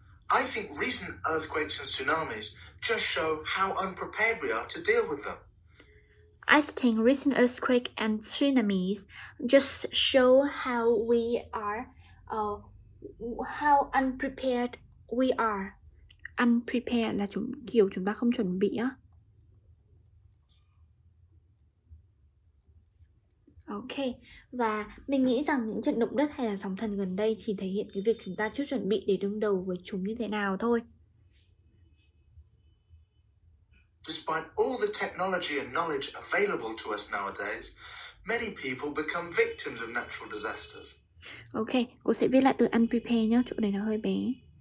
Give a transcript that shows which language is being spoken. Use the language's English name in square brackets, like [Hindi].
[English] I think recent earthquakes and tsunamis just show how unprepared we are to deal with them. I think recent earthquake and tsunamis just show how we are, how unprepared we are. [Vietnamese] Unprepared là kiểu chúng ta không chuẩn bị á. Ok, và mình nghĩ rằng những trận động đất hay là sóng thần gần đây chỉ thể hiện cái việc chúng ta chưa chuẩn bị để đương đầu với chúng như thế nào thôi. [English] Despite all the technology and knowledge available to us nowadays, many people become victims of natural disasters. [Vietnamese] Ok, cô sẽ viết lại từ unprepared nhé, chỗ này nó hơi bé.